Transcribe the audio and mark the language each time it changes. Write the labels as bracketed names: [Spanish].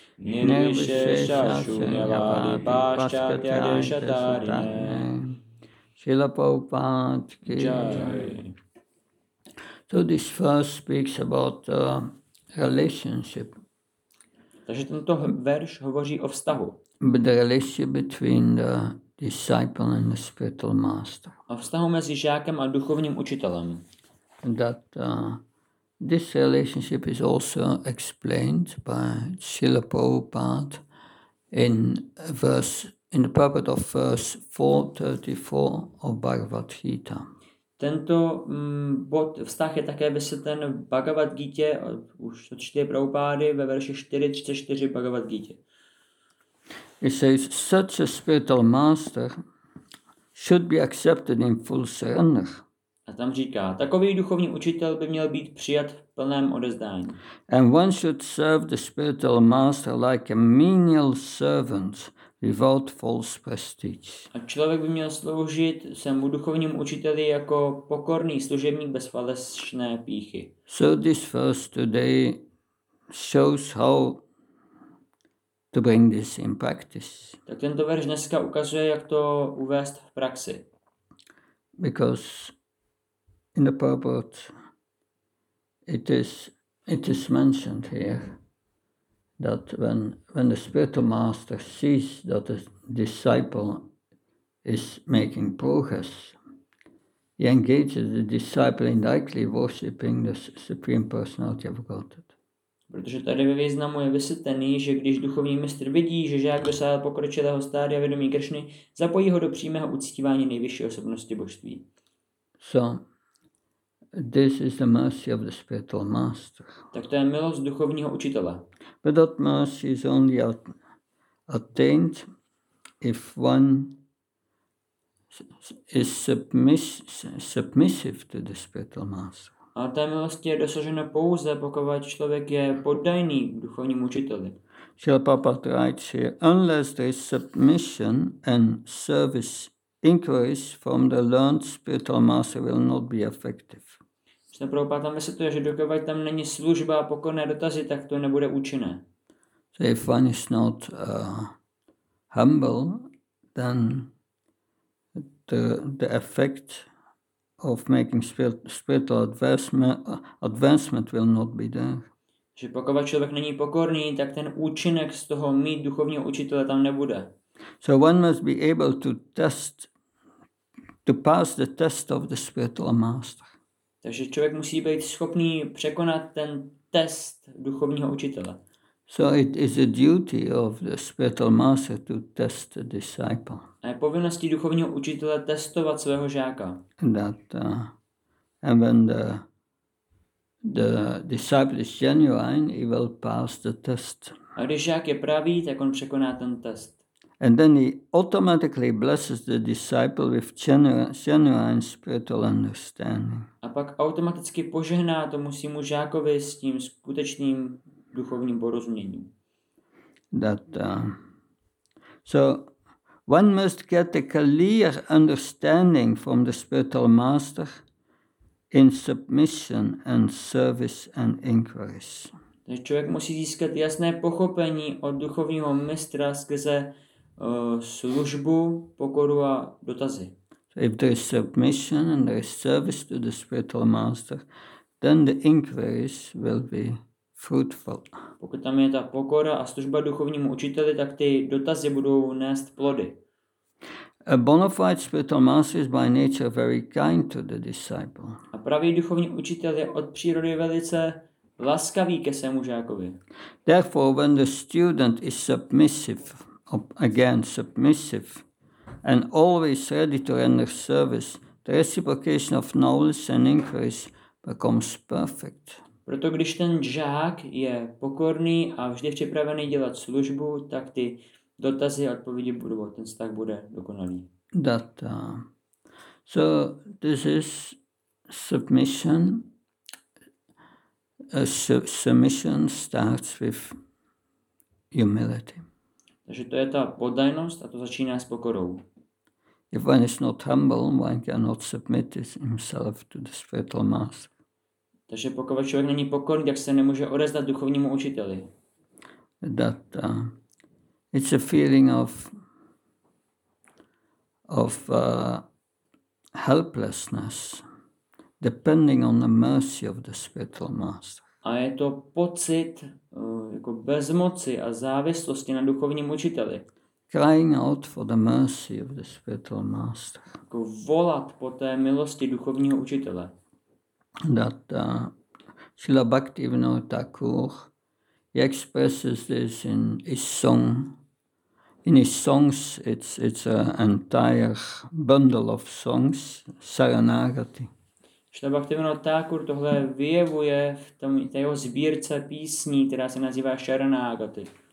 [Sanskrit] Nirvishesha Shunyavadi Paschati Antasutane. [Hindi] Srila Prabhupada ki jai. [English] So this verse speaks about relationship. [Czech] Takže tento verš hovoří o vztahu. [English] The relationship between the disciple and the spiritual master. [Czech] O vztahu mezi žákem a duchovním učitelem. [English] That this relationship is also explained by Srila Prabhupada in the purport of verse 434 of Bhagavad Gita. [Czech] Tento bod vztah je také vysvětlen v Bhagavad Gita, už to čtí Prabhupády ve verši 434 Bhagavad Gita. [English] It says, such a spiritual master should be accepted in full surrender. [Czech] A tam říká, takový duchovní učitel by měl být přijat v plném odezdání. [English] And one should serve the spiritual master like a menial servant. Without false prestige. [Czech] A člověk by měl sloužit svému duchovnímu učiteli jako pokorný služebník bez falešné pýchy. [English] So this verse today shows how to bring this in practice. [Czech] Tak tento verš dneska ukazuje, jak to uvést v praxi. [English] Because in the purport it is mentioned here. That when the spiritual master sees that the disciple is making progress, he engages the disciple in directly worshipping the Supreme Personality of Godhead. [Czech] Protože tady ve významu je vysvětlený, že když duchovní mistr vidí, že žák dosáhl pokročilého stádia vědomí Kršny, zapojí ho do přímého uctívání nejvyšší osobnosti božství. [English] So, This is the mercy of the spiritual master. [Czech] Tak to je milost duchovního učitele. [English] But that mercy is only attained if one is submissive to the spiritual master. [Czech] A ta milost je dosažena pouze, pokud člověk je poddajný duchovnímu učiteli. [English] Srila Prabhupada writes here, unless there is submission and service inquiries from the learned spiritual master will not be effective. [Czech] Srila Prabhupada tam vysvětluje, že dokud tam není služba a pokorné dotazy, tak to nebude účinné. [English] So if one is not humble, then the effect of making spiritual advancement will not be there. [Czech] Že pokud člověk není pokorný, tak ten účinek z toho mít duchovního učitele tam nebude. [English] So one must be able to test, to pass the test of the spiritual master. [Czech] Takže člověk musí být schopný překonat ten test duchovního učitele. [English] So it is a duty of the spiritual master to test the disciple. [Czech] A je povinností duchovního učitele testovat svého žáka. [English] That and when the disciple is genuine, he will pass the test. [Czech] A když žák je pravý, tak on překoná ten test. [English] And then he automatically blesses the disciple with genuine spiritual understanding. [Czech] A pak automaticky požehná tomu svému žákovi s tím skutečným duchovním porozuměním. [English] So one must get a clear understanding from the spiritual master in submission and service and inquiries. [Czech] Takže člověk musí získat jasné pochopení od duchovního mistra skrze službu, pokoru a dotazy. [English] So if there is submission and there is service to the spiritual master, then the inquiries will be fruitful. [Czech] Pokud tam je ta pokora a služba duchovnímu učiteli, tak ty dotazy budou nést plody. [English] A bona fide spiritual master is by nature very kind to the disciple. [Czech] A pravý duchovní učitel je od přírody velice laskavý ke svému žákovi. [English] Therefore, when the student is submissive, again submissive, and always ready to render service, the reciprocation of knowledge and inquiries becomes perfect. [Czech] Proto když ten žák je pokorný a vždy připravený dělat službu, tak ty dotazy a odpovědi budou, ten vztah bude dokonalý. [English] That, so this is submission. Submission starts with humility. [Czech] Takže to je ta poddajnost a to začíná s pokorou. [English] If one is not humble, one cannot submit himself to the spiritual master. [Czech] Takže pokud člověk není pokorný, tak se nemůže odezdat duchovnímu učiteli. [English] That it's a feeling of helplessness, depending on the mercy of the spiritual master. [Czech] A je to pocit jako bezmoci a závislosti na duchovním učiteli. [English] Crying out for the mercy of the spiritual master. [Czech] Jako volat po té milosti duchovního učitele. [English] That Srila Bhaktivinoda Thakur, he expresses this in his song. In his songs, it's an entire bundle of songs, Saranagati. [Czech] Srila Bhaktivinoda Thakur tohle vyjevuje v tom jeho sbírce písní, která se nazývá Saranagati.